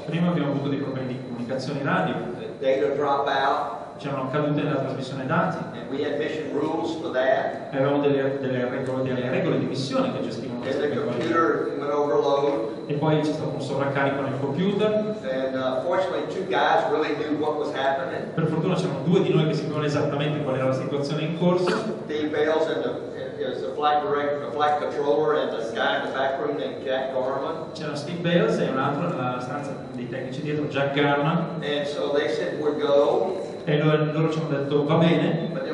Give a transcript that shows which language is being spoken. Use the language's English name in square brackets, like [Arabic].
[Italian] Prima abbiamo avuto dei problemi di comunicazione radio. [English] Data drop out. [Italian] C'erano cadute nella trasmissione dati. [English] And we had mission rules for that. [Italian] E avevamo delle regole di missione che gestivano. [English] And the computer went overload. [Italian] E poi c'è stato un sovraccarico nel computer. [English] And fortunately, two guys really knew what was happening. [Italian] Per fortuna c'erano due di noi che sapevano esattamente qual era la situazione in corso. [English] Dave Bales and the flight director, the flight controller, and the guy in the back room named Jack Garman. [Italian] C'erano Steve Bales e un altro nella stanza dei tecnici dietro, Jack Garman. [English] And so they said we'll go. [Italian] E loro ci hanno detto va bene.